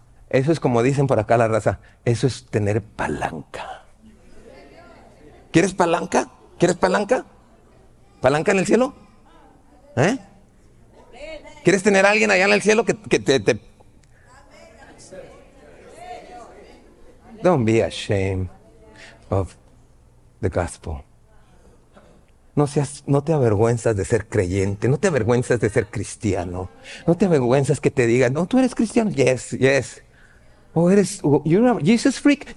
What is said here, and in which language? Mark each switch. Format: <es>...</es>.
<es>Eso es como dicen por acá la raza, eso es tener palanca. ¿Quieres palanca? ¿Quieres palanca? ¿Palanca en el cielo? ¿Eh? ¿Quieres tener a alguien allá en el cielo que te...</es> <en>Don't be ashamed of the gospel.</en> <es>No seas, no te avergüenzas de ser creyente, no te avergüenzas de ser cristiano. No te avergüenzas que te digan, no, tú eres cristiano.</es> <en>Yes, yes. Oh,</en> <es>eres,</es> <en>you're a Jesus freak.</en>